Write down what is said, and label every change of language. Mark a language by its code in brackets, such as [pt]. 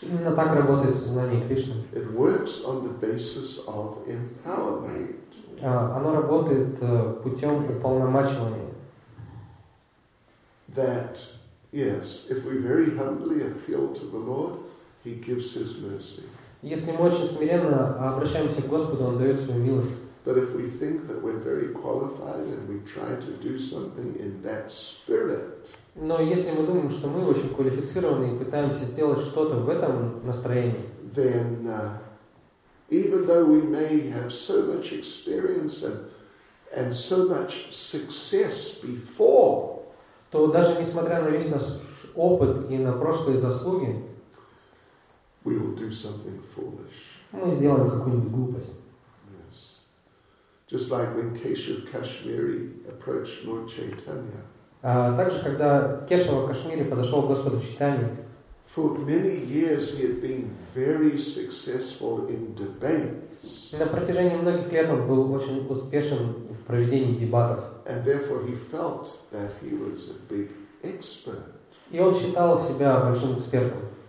[ru] Именно так работает сознание Кришны. [en] It works on the basis of empowerment. [ru] Оно работает путем уполномачивания. [en] That yes, if we very humbly appeal to the Lord, He gives His mercy. [ru] Если мы очень смиренно обращаемся к Господу, Он дает свою милость. [en] But if we think that we're very qualified and we try to do something in that spirit. [ru] Но если мы думаем, что мы очень квалифицированы и пытаемся сделать что-то в этом настроении. [en] Then, even though we may have so much experience and so much success before. [ru] То даже несмотря на весь наш опыт и на прошлые заслуги, [en] we will do something foolish. [ru] Мы сделаем какую-нибудь глупость. [en] Yes. Just like when Keshav Kashmiri approached Lord Chaitanya. [ru] Также, когда Кешава Кашмири подошел к Господу Чайтанье. [en] For many years he had been very successful in debates. [ru] На протяжении многих лет он был очень успешен в проведении дебатов. [en] And therefore he felt that he was a big expert. [ru] И он считал себя большим экспертом.